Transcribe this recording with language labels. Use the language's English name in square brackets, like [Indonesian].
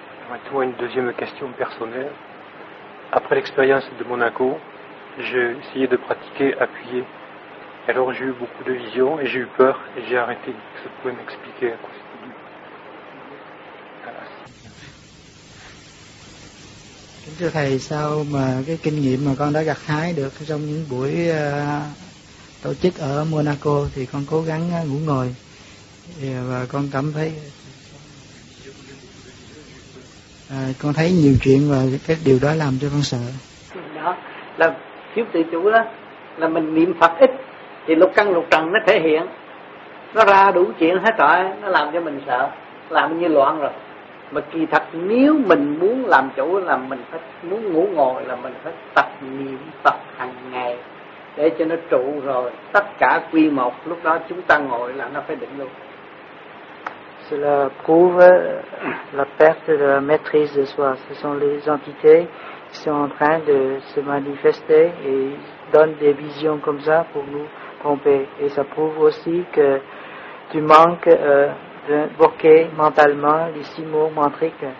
[French] Maintenant, une deuxième question personnelle. Après l'expérience de Monaco, j'ai essayé de pratiquer appuyé. Alors, j'ai eu beaucoup de visions et j'ai eu peur et j'ai arrêté. Est-ce que vous pouvez m'expliquer à quoi c'était dû? [Vietnamese] Kính thưa thầy, sao mà cái kinh nghiệm mà con đã gặt hái được trong những buổi tổ chức ở Monaco thì con cố gắng ngủ ngồi và con cảm thấy con thấy nhiều chuyện và cái điều đó làm cho con sợ. Đó là thiếu tự chủ đó, là mình niệm Phật ít thì lục căn lục trần nó thể hiện, nó ra đủ chuyện hết rồi, nó làm cho mình sợ, làm như loạn rồi. Mà kỳ thật nếu mình muốn làm chủ là mình phải muốn ngủ ngồi là mình phải tập niệm Phật hàng ngày để cho nó trụ, rồi tất cả quy một, lúc đó chúng ta ngồi là nó phải định luôn. [French] Cela prouve la perte de la maîtrise de soi. Ce sont les entités qui sont en train de se manifester et donnent des visions comme ça pour nous tromper. Et ça prouve aussi que tu manques d'invoquer mentalement les six mots mantriques.